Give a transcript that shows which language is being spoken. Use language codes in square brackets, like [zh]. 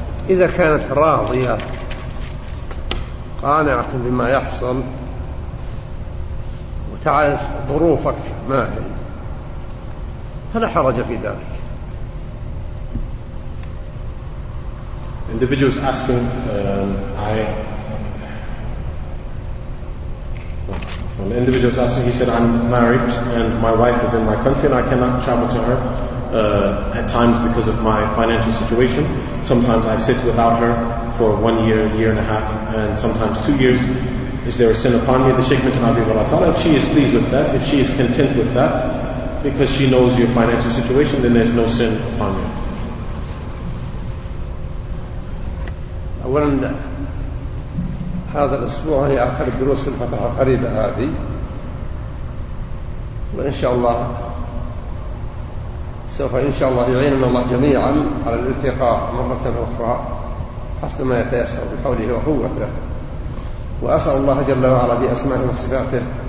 [ar] إذا كانت راضية قانعة بما يحصل تعرف ظروفك ما هي فلا حرج في ذلك. [en] Individuals asking, an individual is asking, he said, I'm married and my wife is in my country and I cannot travel to her at times because of my financial situation. Sometimes I sit without her for 1 year, year and a half, and sometimes 2 years. Is there a sin upon me? The Sheikh mentioned Abu Balatala. If she is pleased with that, if she is content with that, because she knows your financial situation, then there's no sin upon you. [ar] أولا هذا الأسبوع هي آخر دروس الفترة القريبة هذه وإن شاء الله سوف إن شاء الله يعيننا الله جميعا على الالتقاء مرة أخرى حسب ما يتيسر بحوله وقوته وأسأل الله جل وعلا بأسمائه وصفاته